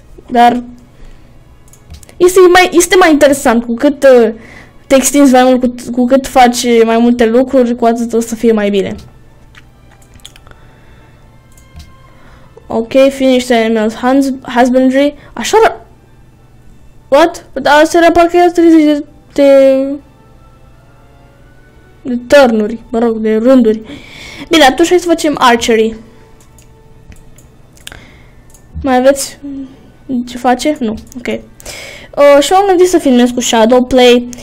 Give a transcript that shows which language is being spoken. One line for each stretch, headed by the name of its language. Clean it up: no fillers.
Romanian: Dar este mai interesant, cu cât te extinzi mai mult, cu cât faci mai multe lucruri, cu atât o să fie mai bine.
English: Ok, finish the animal's husbandry.
Romanian: Așa, what? Dar se repar că e 30 de turnuri, mă rog, de rânduri. Bine, atunci hai să facem archery. Mai aveți ce face? Nu. Ok. Și m-am gândit să filmez cu Shadowplay.